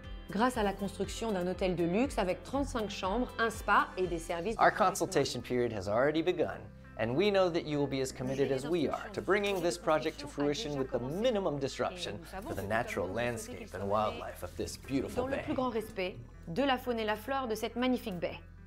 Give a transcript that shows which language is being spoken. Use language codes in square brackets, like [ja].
[fr] Grâce à la construction d'un hôtel de luxe avec 35 chambres, un spa et des services. [en] Our consultation period has already begun, and we know that you will be as committed as we are to bringing this project to fruition with the minimum disruption for the natural landscape and wildlife of this beautiful bay. [fr] Dans le plus grand respect de la faune et la flore de cette magnifique baie.